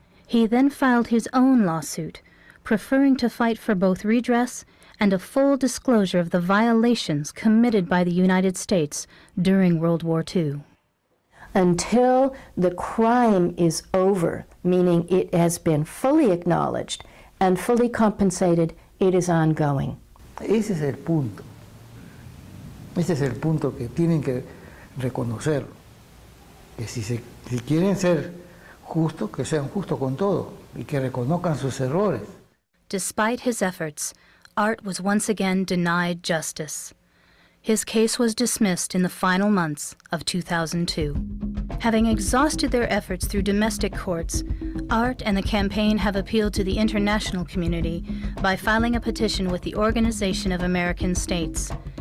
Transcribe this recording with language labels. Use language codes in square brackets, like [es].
[en] He then filed his own lawsuit, preferring to fight for both redress and a full disclosure of the violations committed by the United States during World War II. Until the crime is over, meaning it has been fully acknowledged and fully compensated, it is ongoing. [es] Ese es el punto. Ese es el punto que tienen que reconocer. Que si quieren ser justo, que sean justo con todo y que reconozcan sus errores. [en] Despite his efforts, Art was once again denied justice. His case was dismissed in the final months of 2002. Having exhausted their efforts through domestic courts, Art and the campaign have appealed to the international community by filing a petition with the Organization of American States.